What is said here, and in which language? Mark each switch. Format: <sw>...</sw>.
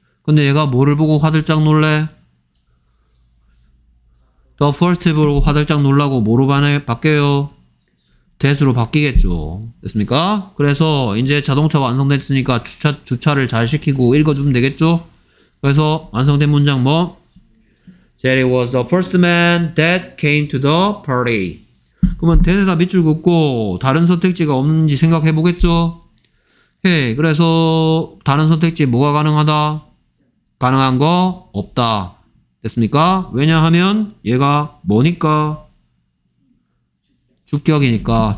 <ko>근데 얘가 뭐를 보고 화들짝 놀래? The first 보고 화들짝 놀라고 뭐로 바뀌어요? that로 바뀌겠죠. 됐습니까? 그래서 이제 자동차 완성됐으니까 주차를 잘 시키고 읽어주면 되겠죠? 그래서 완성된 문장 뭐?</ko> <en>That it was the first man that came to the party.</en> <ko>그러면 that에다 밑줄 긋고 다른 선택지가 없는지 생각해보겠죠? 네, 그래서 다른 선택지 뭐가 가능하다? 가능한 거 없다. 됐습니까? 왜냐하면 얘가 뭐니까? 주격이니까.</ko>